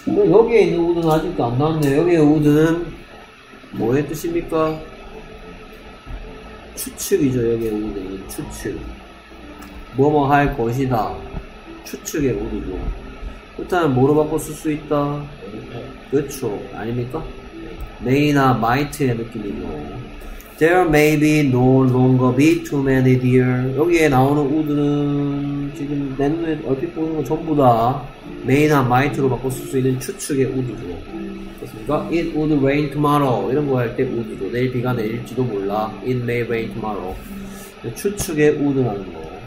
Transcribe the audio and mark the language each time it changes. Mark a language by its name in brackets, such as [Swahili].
[Korean] 여기에 있는 우드는 아직도 안 나왔네요. 여기에 우드는 뭐의 뜻입니까? 추측이죠. 여기에 우드는 추측. 뭐뭐 할 것이다. 추측의 우드죠. 그렇다면 뭐로 바꿔 쓸 수 있다? 그렇죠. 아닙니까? may나 might의 느낌이죠. [English] There may be no longer be too many deer. [Korean] 여기에 나오는 우드는 지금 맨눈에 얼핏 보는 거 전부 다 may나 might로 바꿔 쓸 수 있는 추측의 우드죠. 그렇습니까? [English] It would rain tomorrow. [Korean] 이런 거 할 때 우드죠. 내일 비가 내릴지도 몰라. [English] It may rain tomorrow. [Korean] 추측의 우드라는 거.